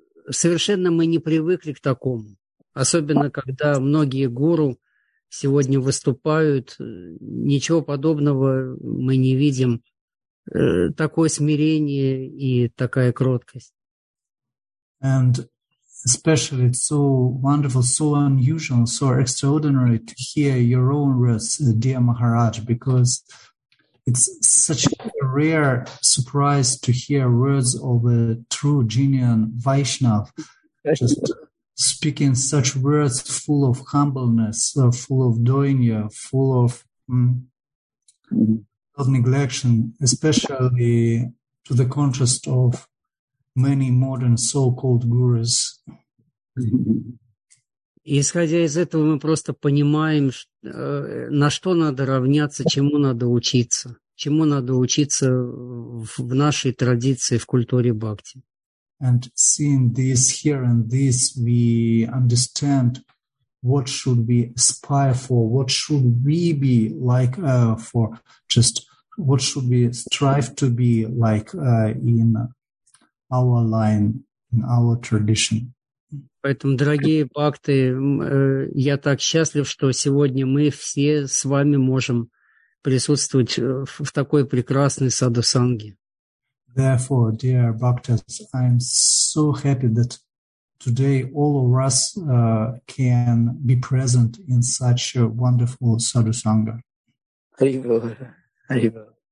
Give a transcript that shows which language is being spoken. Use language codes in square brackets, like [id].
[ru] Совершенно мы не привыкли к такому. Особенно, когда многие гуру сегодня выступают. Ничего подобного мы не видим. Такое смирение и такая кроткость. [en] And especially it's so wonderful, so unusual, so extraordinary to hear your own words, dear Maharaj, because it's such a rare surprise to hear words of a true genuine Vaishnav just speaking such words full of humbleness, full of doinya, full of of neglection, especially to the contrast of many modern so-called gurus. [ru] Исходя из этого, мы просто понимаем, на что надо равняться, чему надо учиться. Чему надо учиться в нашей традиции, в культуре бхакти. [en] And seeing this here and this, we understand what should we aspire for, what should we be like for just what should we strive to be like in our line, in our tradition. [ru] Поэтому, дорогие бхакты, я так счастлив, что сегодня мы все с вами можем присутствовать в такой прекрасной садхусанге. [en] Therefore, dear bhaktas, I'm so happy that today all of us can be present in such a wonderful sadhusanga. Haribol, haribol.